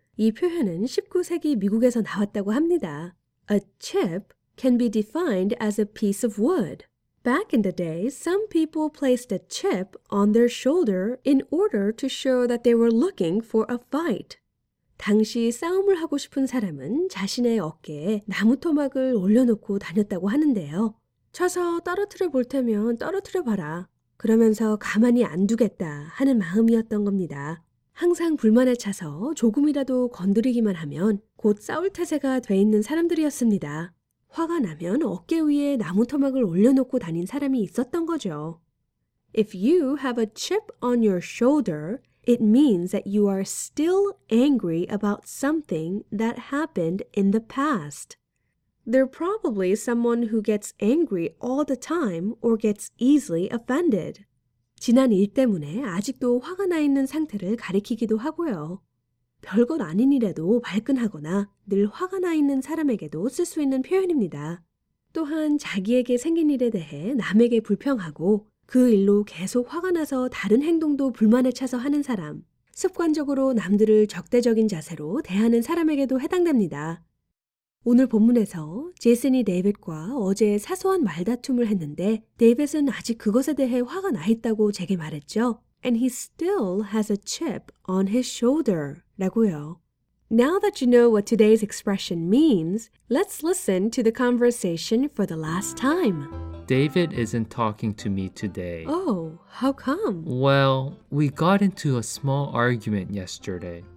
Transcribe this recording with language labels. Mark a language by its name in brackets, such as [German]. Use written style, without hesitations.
[Korean] 이 표현은 19세기 미국에서 나왔다고 합니다. [English] A chip can be defined as a piece of wood. Back in the day, some people placed a chip on their shoulder in order to show that they were looking for a fight. [Korean] 당시 싸움을 하고 싶은 사람은 자신의 어깨에 나무토막을 올려놓고 다녔다고 하는데요. 쳐서 떨어뜨려 볼 테면 떨어뜨려 봐라. 그러면서 가만히 안 두겠다 하는 마음이었던 겁니다. 항상 불만에 차서 조금이라도 건드리기만 하면 곧 싸울 태세가 돼 있는 사람들이었습니다. 화가 나면 어깨 위에 나무토막을 올려놓고 다닌 사람이 있었던 거죠. [English] If you have a chip on your shoulder, it means that you are still angry about something that happened in the past. They're probably someone who gets angry all the time or gets easily offended. [Korean] 지난 일 때문에 아직도 화가 나 있는 상태를 가리키기도 하고요. 별것 아닌 일에도 발끈하거나 늘 화가 나 있는 사람에게도 쓸 수 있는 표현입니다. 또한 자기에게 생긴 일에 대해 남에게 불평하고 그 일로 계속 화가 나서 다른 행동도 불만에 차서 하는 사람, 습관적으로 남들을 적대적인 자세로 대하는 사람에게도 해당됩니다. 오늘 본문에서 제슨이 데이빗과 어제 사소한 말다툼을 했는데 데이빗은 아직 그것에 대해 화가 나 있다고 제게 말했죠. [English] And he still has a chip on his shoulder. [Korean] 라고요. [English] Now that you know what today's expression means, let's listen to the conversation for the last time. David isn't talking to me today. Oh, how come? Well, we got into a small argument yesterday.